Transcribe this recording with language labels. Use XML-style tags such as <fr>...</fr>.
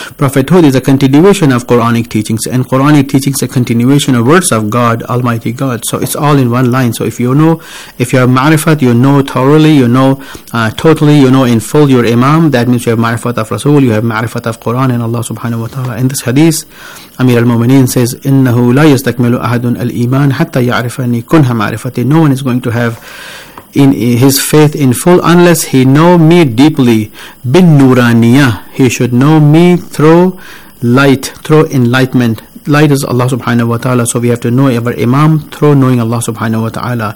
<en>Prophethood is a continuation of Quranic teachings, and Quranic teachings a continuation of words of God, Almighty God. So it's all in one line. So if you know, if you have ma'rifat, you know thoroughly, you know totally, you know in full your imam, that means you have ma'rifat of Rasul, you have ma'rifat of Quran and Allah subhanahu wa ta'ala. In this hadith, Amir al-Mu'mineen says,</en> <ar>إِنَّهُ لَا يَسْتَكْمِلُ أَحَدٌ الْإِيمَانِ حَتَّى يَعْرِفَنِي كُنْهَ مَعْرِفَتِي.</ar> <en>No one is going to have in his faith in full unless he know me deeply.</en> <ar>Bin nuraniya,</ar> <en>he should know me through light, through enlightenment. Light is Allah subhanahu wa ta'ala. So we have to know our imam through knowing Allah subhanahu wa ta'ala.</en>